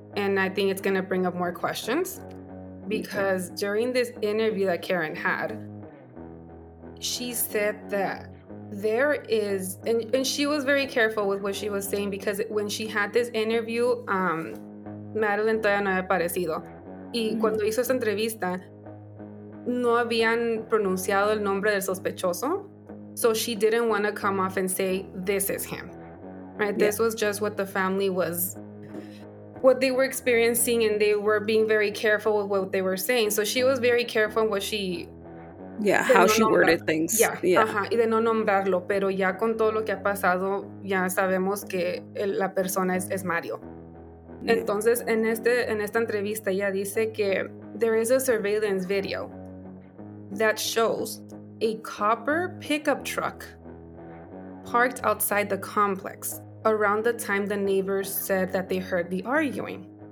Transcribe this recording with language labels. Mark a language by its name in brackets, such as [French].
[English] And I think it's going to bring up more questions. Because during this interview that Karen had, she said that there is, and she was very careful with what she was saying, because when she had this interview, Madeline [Spanish] todavía no había aparecido. Y cuando hizo esa entrevista, no habían pronunciado el nombre del sospechoso. [English] So she didn't want to come off and say, this is him. Right? Yeah. This was just what the family was, what they were experiencing, and they were being very careful with what they were saying. So she was very careful what she... Yeah, how she worded things. Yeah. [Spanish] Y de no nombrarlo, pero ya con todo lo que ha pasado, ya sabemos que la persona es Mario. Entonces, en esta entrevista, ella dice que [English] there is a surveillance video that shows a copper pickup truck parked outside the complex around the time the neighbors said that they heard the arguing.